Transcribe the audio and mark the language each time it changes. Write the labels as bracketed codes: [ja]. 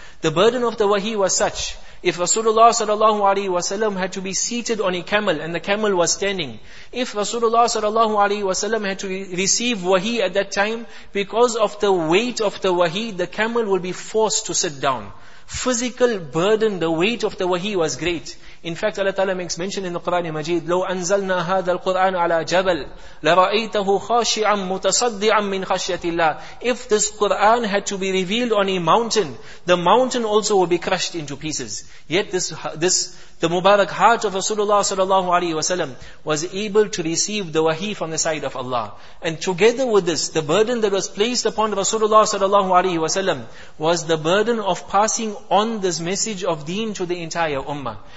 [en] The burden of the wahi was such, if Rasulullah sallallahu alaihi wasallam had to be seated on a camel and the camel was standing, if Rasulullah sallallahu alaihi wasallam had to receive wahi at that time, because of the weight of the wahi, the camel will be forced to sit down. Physical burden, the weight of the wahi was great. In fact, Allah Ta'ala makes mention in the Quran Majid, [ar] لو أنزلنا هذا القرآن على جبل لرأيته خاشعا متصدعا من خشية الله. [en] If this Quran had to be revealed on a mountain, the mountain also would be crushed into pieces. Yet this the Mubarak heart of Rasulullah sallallahu alaihi wasallam was able to receive the wahi from the side of Allah. And together with this, the burden that was placed upon Rasulullah sallallahu alaihi wasallam was the burden of passing on this message of deen to the entire ummah.